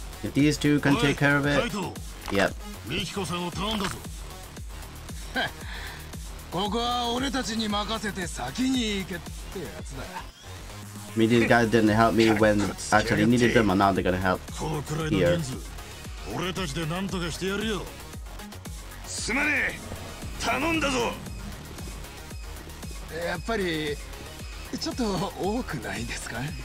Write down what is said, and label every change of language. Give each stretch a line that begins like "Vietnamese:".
English: If these two can take care of it, yep.
Japanese: ミキコさんを頼んだぞ。ここは俺たちに任せて先に行けってやつだ。
English: I mean, these guys didn't help me when actually needed them, and now they're gonna help.
Japanese: このくらいの人数、俺たちで何とかしてやるよ。すまねえ、頼んだぞ。やっぱりちょっと多くないですか。